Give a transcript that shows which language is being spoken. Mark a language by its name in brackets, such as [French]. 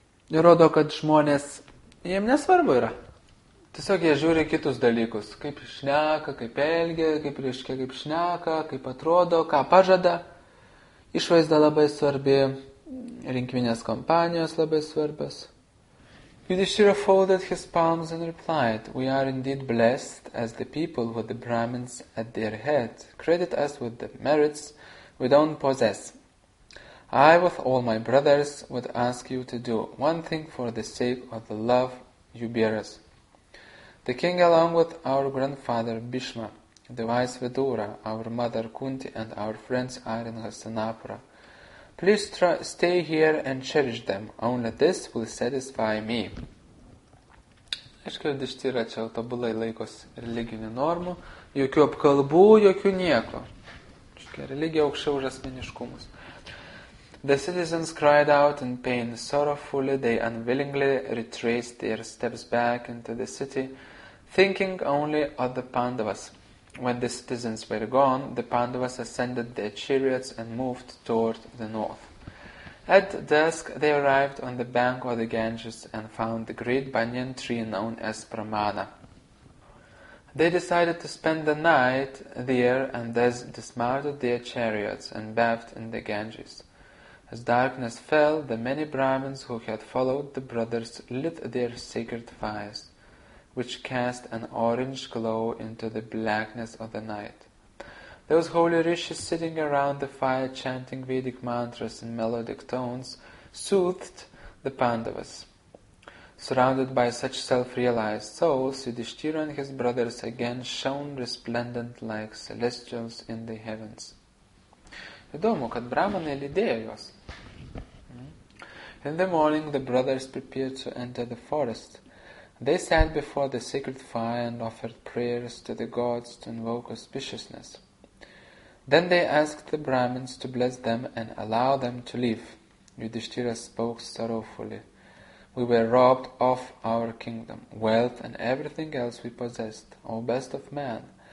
[Lithuanian] Ir rodo, kad žmonės, jiems nesvarbu yra. Tiesiog jie žiūri kitus dalykus. Kaip šneka, kaip elgia, kaip reiškia, kaip šneka, kaip atrodo, ką pažada. Išvaizda labai svarbi. Rinkiminės kompanijos labai svarbios. [English] Yudhishthira folded his palms and replied, we are indeed blessed as the people with the Brahmins at their head. Credit us with the merits we don't possess. I, with all my brothers, would ask you to do one thing for the sake of the love you bear us. The king, along with our grandfather Bhishma, the wise Vidura, our mother Kunti, and our friends are in Hastinapura. Please stay here and cherish them. Only this will satisfy me. [Lithuanian] Aišku, Yudhishthira čia tobulai laikos religinių normų. Jokių apkalbų, jokių nieko. Aišku, religija aukščiau už asmeniškumus. [English] The citizens cried out in pain. Sorrowfully, they unwillingly retraced their steps back into the city, thinking only of the Pandavas. When the citizens were gone, the Pandavas ascended their chariots and moved toward the north. At dusk, they arrived on the bank of the Ganges and found the great banyan tree known as Pramana. They decided to spend the night there and thus dismounted their chariots and bathed in the Ganges. As darkness fell, the many Brahmins who had followed the brothers lit their sacred fires, which cast an orange glow into the blackness of the night. Those holy rishis sitting around the fire chanting Vedic mantras in melodic tones soothed the Pandavas. Surrounded by such self-realized souls, Yudhishthira and his brothers again shone resplendent like celestials in the heavens. [Lithuanian] Įdomu, kad brahmanai lydėjo juos. [English] In the morning, the brothers prepared to enter the forest. They sat before the sacred fire and offered prayers to the gods to invoke auspiciousness. Then they asked the Brahmins to bless them and allow them to leave. Yudhishthira spoke sorrowfully. We were robbed of our kingdom, wealth, and everything else we possessed, O best of man.